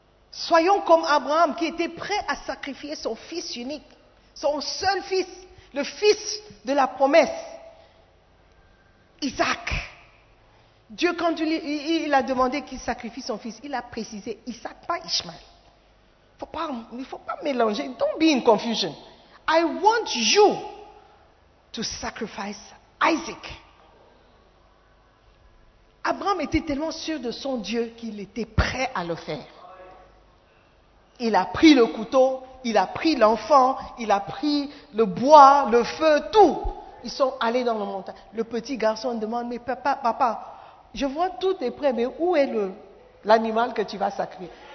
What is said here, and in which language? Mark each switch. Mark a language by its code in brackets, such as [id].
[fr] Soyons comme Abraham qui était prêt à sacrifier son fils unique, son seul fils, le fils de la promesse, Isaac. Dieu, quand il a demandé qu'il sacrifie son fils, il a précisé Isaac, pas Ishmael. Il ne faut pas mélanger. [en] Don't be in confusion. I want you to sacrifice Isaac. [fr] Abraham était tellement sûr de son Dieu qu'il était prêt à le faire. Il a pris le couteau, il a pris l'enfant, il a pris le bois, le feu, tout. Ils sont allés dans la montagne. Le petit garçon demande, mais papa, je vois tout est prêt, mais où est l'animal que tu vas sacrifier?